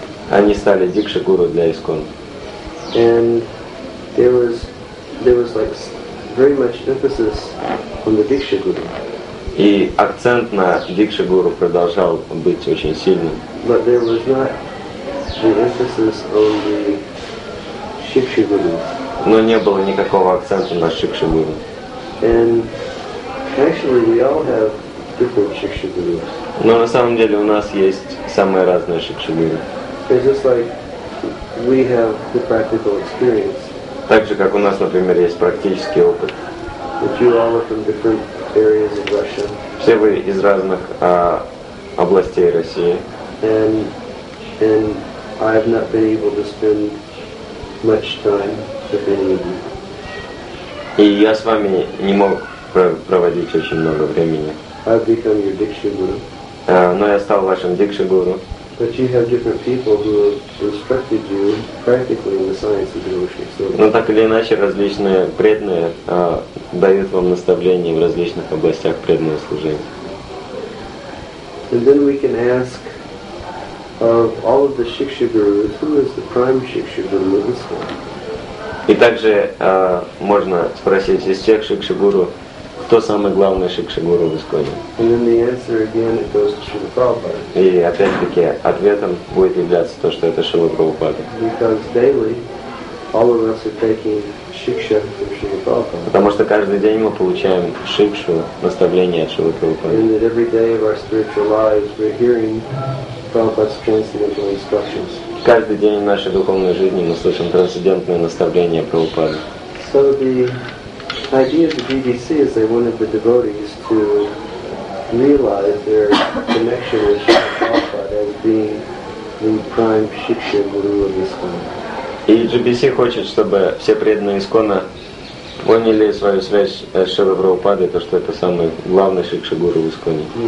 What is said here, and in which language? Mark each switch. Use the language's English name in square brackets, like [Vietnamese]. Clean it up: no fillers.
[Russian] Они стали дикша гуру для ИСКОН. [English] And there was like very much emphasis on the Diksha Guru. [Russian] И акцент на Дикша Гуру продолжал быть очень сильным. [English] But there was not the emphasis on the Shiksha Guru. [Russian] Но не было никакого акцента на Шикша Гуру. [English] And actually, we all have different Shiksha Gurus. [Russian] Но на самом деле у нас есть самые разные Шикша Гуру. [English] It's just like we have the practical experience. [Russian] Так же, как у нас, например, есть практический опыт. [English] But you all are from different areas of Russia. [Russian] Все вы из разных областей России. [English] And I have not been able to spend much time with any of you. [Russian] И я с вами не мог проводить очень много времени. [English] I've become your Diksha Guru. [Russian] Но я стал вашим Дикша Гуру. [English] But you have different people who have instructed you practically in the science of devotion. [Russian] Но так или иначе различные преданные дают вам наставления в различных областях преданного служения. [English] And then we can ask of all of the Shiksha Gurus, who is the prime Shiksha Guru of this one? [Russian] И также можно спросить из всех Шикша Гуру, то самое главное, что Кшигуру в Исконе. [English] And then the answer again, it goes to Шрила Прабхупада. [Russian] И опять-таки ответом будет являться то, что это Шрила Прабхупада. [English] Because daily, all of us are taking шикша from Шрила Прабхупада. [Russian] Потому что каждый день мы получаем шикшу, наставление от Шрила Прабхупада. [English] And that every day of our spiritual lives, we're hearing Prabhupada's transcendental instructions. [Russian] Каждый день нашей духовной жизни мы слышим трансцендентное наставление Прабхупады. [English] So the idea of the BBC is they wanted the devotees to realize their connection with Shri Prabhupada as being the prime Shiksha Guru of ISKCON. [Russian] И GBC хочет, чтобы все преданные ИСКОНа поняли свою связь с Шри Прабхупадой, то, что это самый главный Шикша Гуру в ИСКОНе.